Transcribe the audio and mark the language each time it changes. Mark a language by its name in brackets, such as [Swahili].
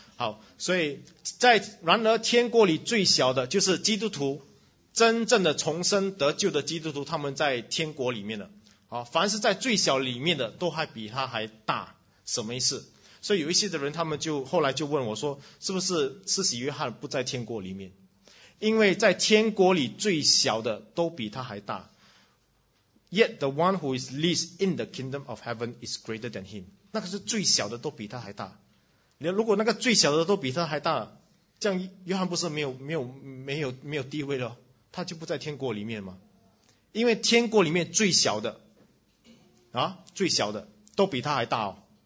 [Chinese] 好，所以在然而天国里最小的就是基督徒，真正的重生得救的基督徒，他们在天国里面的。好，凡是在最小里面的都还比他还大，什么意思？所以有一些的人他们就后来就问我说，是不是施洗约翰不在天国里面？因为在天国里最小的都比他还大。 [English] Yet the one who is least in the kingdom of heaven is greater than him. [Chinese] 那个是最小的都比他还大。如果那个最小的都比他还大，这样约翰不是没有地位了，他就不在天国里面吗？因为天国里面最小的啊，最小的都比他还大哦。